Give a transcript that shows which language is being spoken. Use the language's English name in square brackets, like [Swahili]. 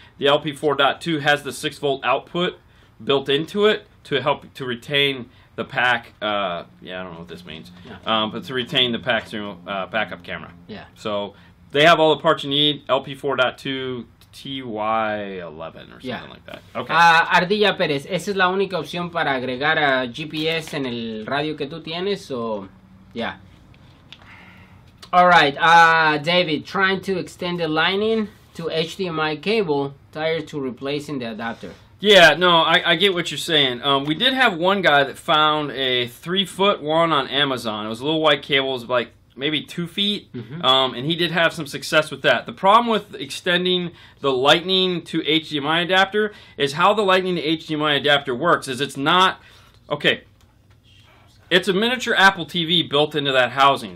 [English] The LP 4.2 has the 6 volt output built into it to help to retain the pack. I don't know what this means. Yeah. But to retain the pack steering wheel, backup camera. Yeah. So they have all the parts you need, LP 4.2, TY11 or something like that. Okay. [Spanish] Ardilla Pérez, ¿esa es la única opción para agregar a GPS en el radio que tú tienes? [English] So, yeah. All right, David, trying to extend the lining to HDMI cable, tired to replacing the adapter. Yeah, no, I get what you're saying. We did have one guy that found a 3 foot one on Amazon. It was a little white cable, it was like maybe 2 feet, and he did have some success with that. The problem with extending the lightning to HDMI adapter is how the lightning to HDMI adapter works is it's not, okay, it's a miniature Apple TV built into that housing.